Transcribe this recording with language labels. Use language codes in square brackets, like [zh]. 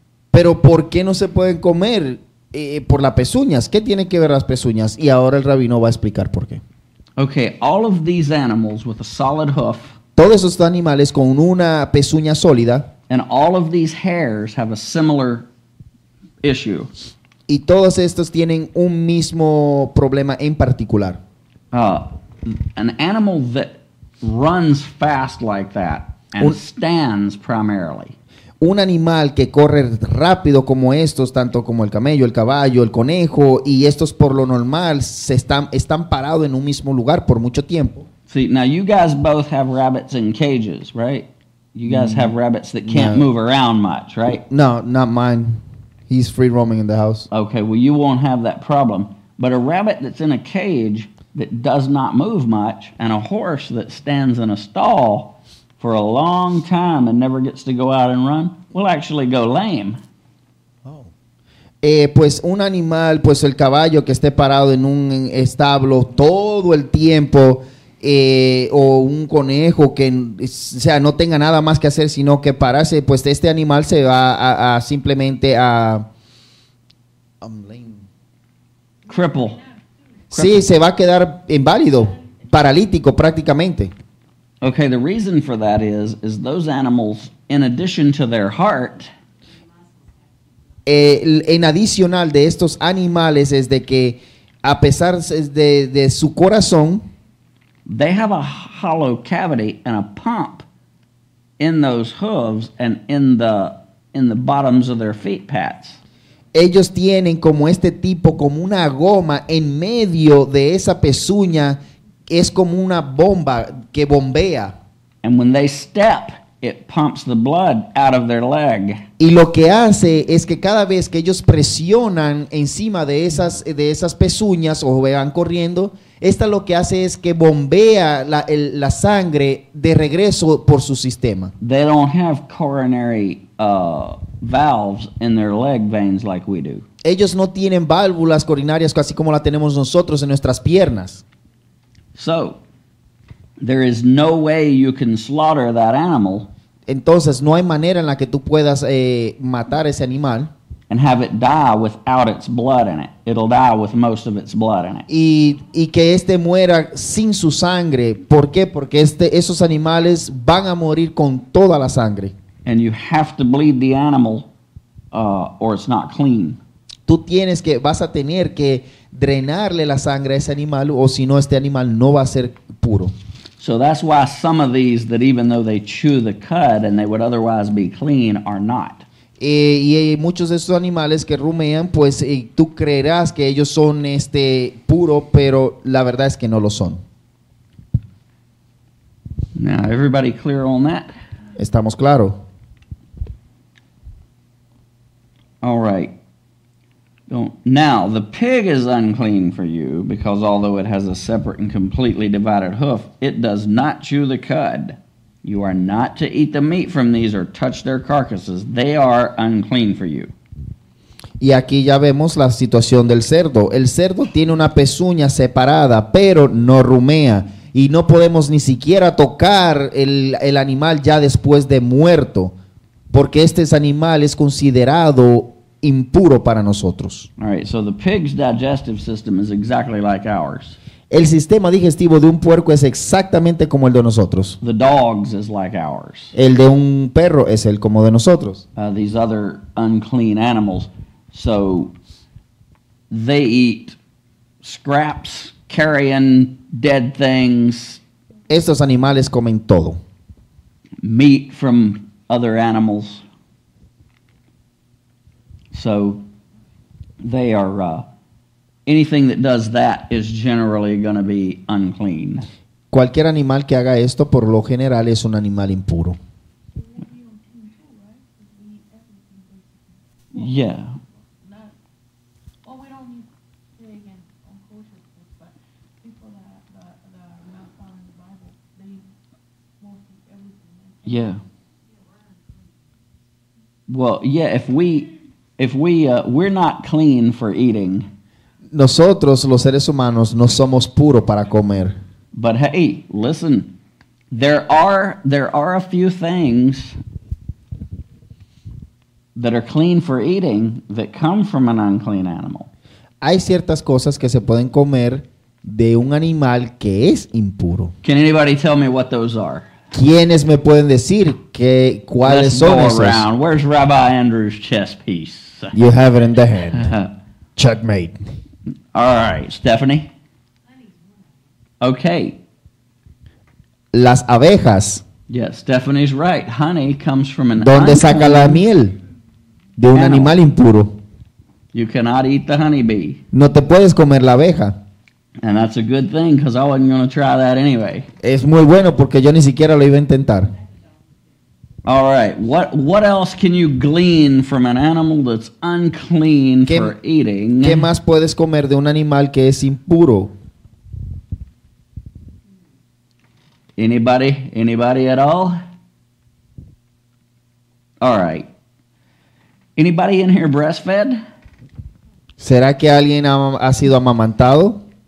[es] Pero ¿por qué no se pueden comer por las pezuñas? ¿Qué tiene que ver las pezuñas? Y ahora el rabino va a explicar por qué. [en] Okay, all of these animals with a solid hoof. [es] Todos estos animales con una pezuña sólida. [en] And all of these hares have a similar issue. [es] Y todos estos tienen un mismo problema en particular. [en] An animal that runs fast like that and stands primarily. [es] Un animal que corre rápido como estos, tanto como el camello, el caballo, el conejo, y estos por lo normal se están parados en un mismo lugar por mucho tiempo. [en] See, now you guys both have rabbits in cages, right? You guys have rabbits that can't move around much, right? No, not mine. He's free roaming in the house. Okay, well you won't have that problem. But a rabbit that's in a cage that does not move much, and a horse that stands in a stall for a long time and never gets to go out and run, will actually go lame. Oh. [es] Pues un animal, pues el caballo que esté parado en un establo todo el tiempo, o un conejo que, o sea, no tenga nada más que hacer sino que pararse, pues este animal se va a simplemente [en] I'm lame. Cripple. [es] Sí, se va a quedar inválido, paralítico prácticamente. [en] Okay, the reason for that is those animals, in addition to their heart, [es] En adicional de estos animales es de que a pesar de su corazón, [en] they have a hollow cavity and a pump in those hooves and in the bottoms of their feet pads. [es] Ellos tienen como este tipo, como una goma en medio de esa pezuña, es como una bomba que bombea. [en] And when they step, it pumps the blood out of their leg. [es] Y lo que hace es que cada vez que ellos presionan encima de esas pezuñas o van corriendo, esta lo que hace es que bombea la sangre de regreso por su sistema. [en] They don't have coronary valves in their leg veins like we do. [es] Ellos no tienen válvulas coronarias así como la tenemos nosotros en nuestras piernas. [en] So, there is no way you can slaughter that animal. [es] Entonces, no hay manera en la que tú puedas matar ese animal. [en] And have it die without its blood in it. It'll die with most of its blood in it. [es] Y que este muera sin su sangre. ¿Por qué? Porque esos animales van a morir con toda la sangre. [en] And you have to bleed the animal or it's not clean. [es] Tú tienes que, vas a tener que drenarle la sangre a ese animal o si no, este animal no va a ser puro. [en] So that's why some of these that even though they chew the cud and they would otherwise be clean are not. [es] Y muchos de estos animales que rumean, pues tú creerás que ellos son puro, pero la verdad es que no lo son. [en] Now, everybody clear on that? [es] Estamos claro. [en] All right. Now, the pig is unclean for you because although it has a separate and completely divided hoof, it does not chew the cud. You are not to eat the meat from these or touch their carcasses. They are unclean for you. [es] Y aquí ya vemos la situación del cerdo. El cerdo tiene una pezuña separada, pero no rumea. Y no podemos ni siquiera tocar el animal ya después de muerto, porque este animal es considerado impuro para nosotros. [en] All right, so the pig's digestive system is exactly like ours. [es] El sistema digestivo de un puerco es exactamente como el de nosotros. [en] The dog's is like ours. [es] El de un perro es el como de nosotros. [en] These other unclean animals, so they eat scraps, carrion, dead things. [es] Estos animales comen todo. [en] Meat from other animals. So they are anything that does that is generally going to be unclean. [es] Cualquier animal que haga esto por lo general es un animal impuro. [en] Yeah. Yeah. Well, yeah, if we're not clean for eating. [es] Nosotros los seres humanos no somos puros para comer. [en] But hey, listen. There are a few things that are clean for eating that come from an unclean animal. [es] Hay ciertas cosas que se pueden comer de un animal que es impuro. [en] Can anybody tell me what those are? [es] ¿Quiénes me pueden decir que cuáles [en] Let's [es] son [en] go [es] esos? [en] Around. Where's Rabbi Andrew's chess piece? You have it in the hand. Checkmate. All right, Stephanie. Okay. [es] Las abejas. [en] Yes, Stephanie's right. Honey comes from an [es] ¿Dónde saca la miel? De un animal impuro. [en] You cannot eat the honeybee. [es] No te puedes comer la abeja. [en] And that's a good thing because I wasn't going to try that anyway. [es] Es muy bueno porque yo ni siquiera lo iba a intentar. [en] All right. What else can you glean from an animal that's unclean for eating? [es] ¿Qué más puedes comer de un animal que es impuro? [en] Anybody? Anybody at all? All right. Anybody in here breastfed? [es] ¿Será que alguien ha sido amamantado?